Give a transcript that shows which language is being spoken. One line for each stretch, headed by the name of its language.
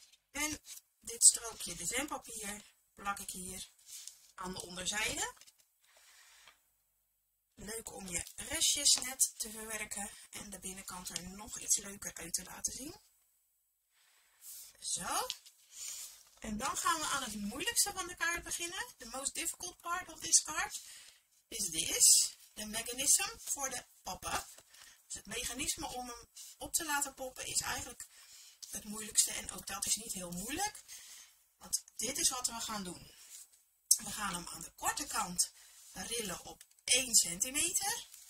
Dutch: En dit strookje designpapier plak ik hier aan de onderzijde. Leuk om je restjes net te verwerken en de binnenkant er nog iets leuker uit te laten zien. Zo. En dan gaan we aan het moeilijkste van de kaart beginnen.
English: The most difficult part of this card is this. The mechanism for the pop-up.
Dutch: Dus het mechanisme om hem op te laten poppen is eigenlijk het moeilijkste. En ook dat is niet heel moeilijk. Want dit is wat we gaan doen. We gaan hem aan de korte kant rillen op 1 centimeter.